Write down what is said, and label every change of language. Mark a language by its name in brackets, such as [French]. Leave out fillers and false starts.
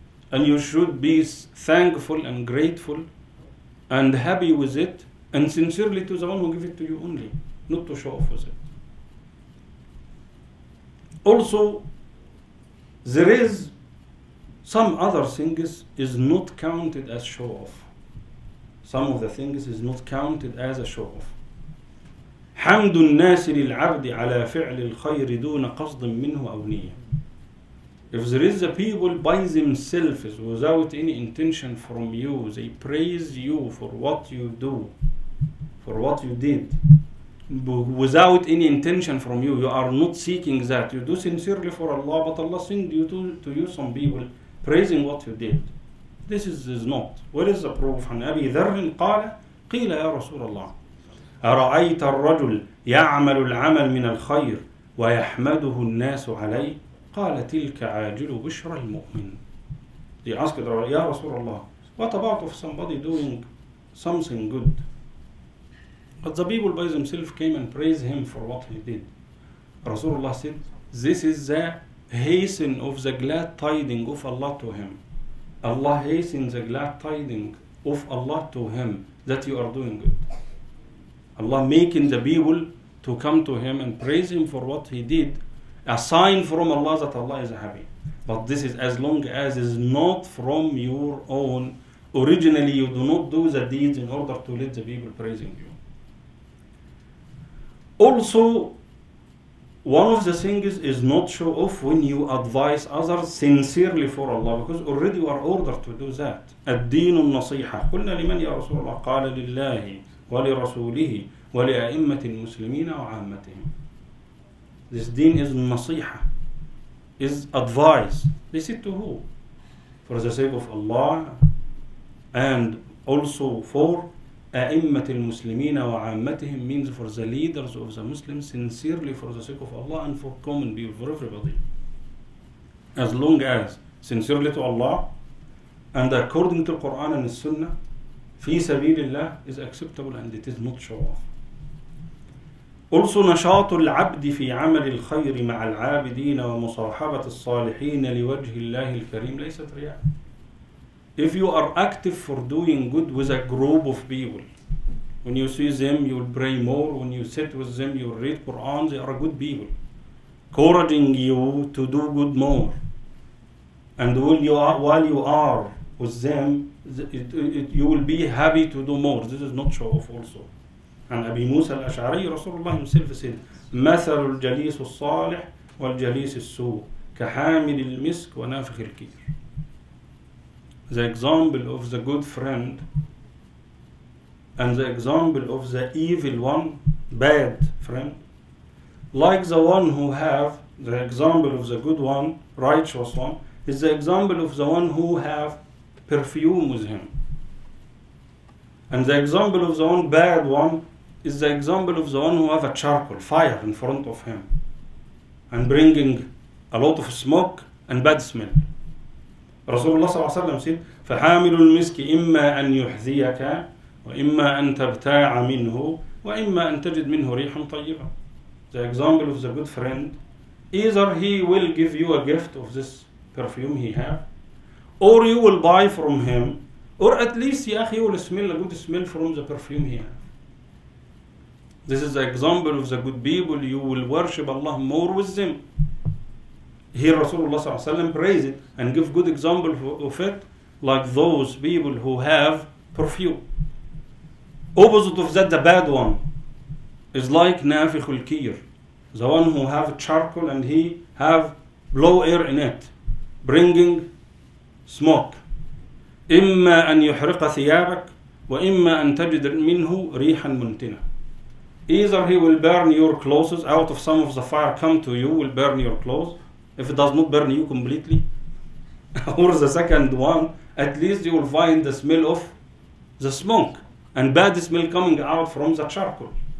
[English] And you should be thankful and grateful and happy with it, and sincerely to the one who give it to you only, not to show off with it. Also, there is some other things is not counted as show off. Some of the things is not counted as a show off. [Arabic] حمد الناس للعبد على فعل الخير دون قصد منه أو نية. [English] If there is a people by themselves without any intention from you, they praise you for what you do, for what you did, without any intention from you, you are not seeking that. You do sincerely for Allah, but Allah send you to you some people praising what you did. This is not. What is the proof? [Arabic] عن أبي ذر قال قيل يا رسول الله أرأيت الرجل يعمل العمل من الخير ويحمده الناس عليه قال تلك عاجل بشرى المؤمن. [English] They asked [Arabic] يا رسول الله [English] what about if somebody doing something good, but the people by themselves came and praised him for what he did. Rasulullah said this is the hasten of the glad tidings of Allah to him. Allah hastens the glad tidings of Allah to him that you are doing good. Allah making the people to come to him and praise him for what he did, a sign from Allah that Allah is happy. But this is as long as is not from your own. Originally, you do not do the deeds in order to let the people praising you. Also, one of the things is not show off when you advise others sincerely for Allah, because already you are ordered to do that. [Arabic] الدين النصيحة قلنا لمن يا رسول الله قال لله ولرسوله ولأئمة المسلمين وعامتهم. [English] This deen is نصيحة, is advice. They said to who? For the sake of Allah and also for [Arabic] أئمة المسلمين وعامتهم, [English] means for the leaders of the Muslims, sincerely for the sake of Allah and for common people, for everybody. As long as sincerely to Allah and according to Quran and Sunnah, [Arabic] في سبيل الله [English] is acceptable and it is not show off. [Arabic] Also, نشاط العبد في عمل الخير مع العابدين ومصاحبة الصالحين لوجه الله الكريم ليست رياء. [English] If you are active for doing good with a group of people, when you see them, you will pray more. When you sit with them, you will read Quran. They are good people, encouraging you to do good more. And while you are with them, you will be happy to do more. This is not show off also. And Abi Musa al-Ash'ari, Rasulullah himself said, [Arabic] مثل الجليس الصالح والجليس السوء كحامل المسك ونافخ الكير. [English] The example of the good friend and the example of the evil one, bad friend, like the one who have the example of the good one, righteous one, is the example of the one who have perfume with him. And the example of the one bad one is the example of the one who have a charcoal, fire in front of him and bringing a lot of smoke and bad smell. [Arabic] Rasulullah صلى الله عليه وسلم said, فحامل المسك إما أن يحذيك وإما أن تبتاع منه وإما أن تجد منه ريحا طيبة. [English] The example of the good friend, either he will give you a gift of this perfume he have, or you will buy from him, or at least he will smell a good smell from the perfume he have. This is the example of the good people. You will worship Allah more with them. Here Rasulullah [Arabic] صلى الله عليه وسلم [English] praise it and give good example of it, like those people who have perfume. Opposite of that, the bad one is like Nafikh al-Kir, the one who have charcoal and he have blow air in it, bringing smoke. [Arabic] إما أن يحرق ثيابك وإما أن تجد منه ريحا منتنة. [English] Either he will burn your clothes, out of some of the fire come to you, will burn your clothes, if it does not burn you completely. Or the second one, at least you will find the smell of the smoke and bad smell coming out from the charcoal.